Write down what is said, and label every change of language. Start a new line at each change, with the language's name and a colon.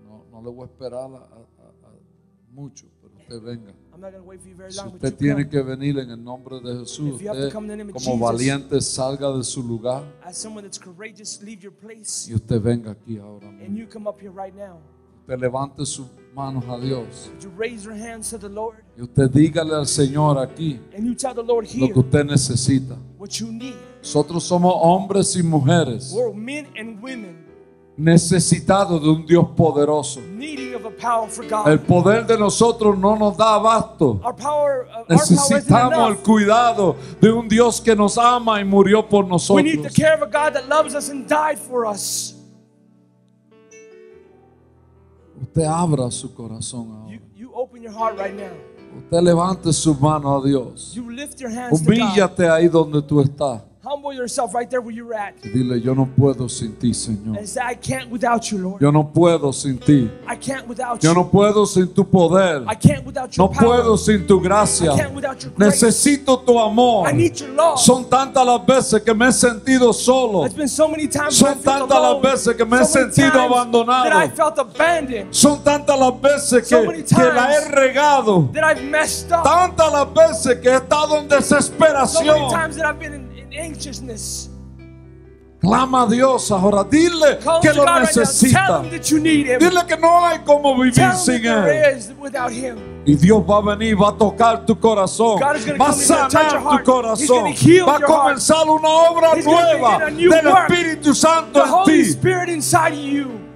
Spanish: No le voy a esperar a mucho, pero usted venga.
English: I'm not going to wait for you very long.
Spanish: Si usted tiene
English: come,
Spanish: que venir en el nombre de Jesús,
English: if you have to come in the name of
Spanish: como
English: Jesus,
Spanish: valiente salga de su lugar.
English: As someone that's courageous, leave your place.
Spanish: Y usted venga aquí ahora mismo.
English: And you come up here right now.
Spanish: Usted levante sus manos a Dios.
English: Would you raise your hands to the Lord?
Spanish: Y usted dígale al Señor aquí.
English: And you tell the Lord here
Spanish: lo que usted necesita.
English: What you need.
Spanish: Nosotros somos hombres y mujeres.
English: We're men and women.
Spanish: Necesitado de un Dios poderoso.
English: Needing of a powerful God.
Spanish: El poder de nosotros no nos da abasto.
English: Our power,
Spanish: necesitamos el cuidado de un Dios que nos ama y murió por nosotros.
English: We need the care of a God that loves us and died for us.
Spanish: Usted abra su corazón ahora.
English: You open your heart right now.
Spanish: Usted levante su mano a Dios.
English: You lift your hands.
Spanish: Humíllate ahí donde tú estás.
English: Humble yourself right there where you're at.
Spanish: Dile, yo no puedo sin ti, Señor.
English: And say, I can't without you, Lord.
Spanish: Yo no puedo sin ti.
English: I can't without
Spanish: yo
English: you.
Spanish: No puedo sin tu poder.
English: I can't without your
Spanish: no
English: power.
Spanish: Puedo sin tu gracia.
English: I can't without your grace.
Spanish: Necesito tu amor.
English: I need your love.
Spanish: Son tantas las veces que me he sentido solo.
English: It's been so many times.
Spanish: Son tantas las veces que me
English: so
Spanish: he sentido abandonado.
English: That I felt abandoned.
Spanish: Son tantas las veces
English: so
Spanish: que la he regado.
English: That I've messed up.
Spanish: Tantas las veces que he estado en desesperación.
English: So many times that I've been in anxiousness.
Spanish: Clama a Dios ahora. Dile que lo necesita. Dile que no hay como vivir sin Él. Y Dios va a venir, va a tocar tu corazón. Va a sanar tu corazón. Va a comenzar una obra nueva del Espíritu Santo en ti.